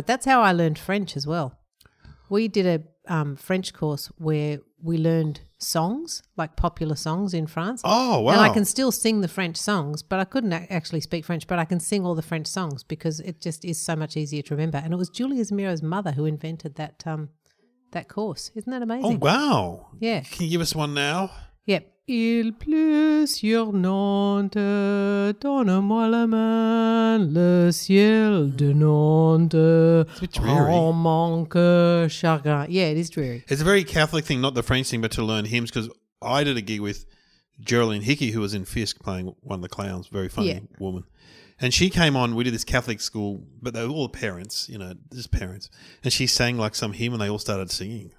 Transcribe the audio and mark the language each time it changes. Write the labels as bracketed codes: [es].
[en] That's how I learned French as well. We did a French course where we learned songs, like popular songs in France. Oh, wow. And I can still sing the French songs, but I couldn't actually speak French, but I can sing all the French songs because it just is so much easier to remember. And it was Julius Miro's mother who invented that that course. Isn't that amazing? Oh, wow. Yeah. Can you give us one now? Yep. [fr] Il pleut sur Nantes, donne-moi la main, le ciel de Nantes. [en] It's a bit dreary. [fr] En manque chagrin. [en] Yeah, it is dreary. It's a very Catholic thing, not the French thing, but to learn hymns, because I did a gig with Geraldine Hickey, who was in Fisk playing one of the clowns, very funny yeah. woman. And she came on, we did this Catholic school, but they were all parents, you know, just parents. And she sang like some hymn and they all started singing.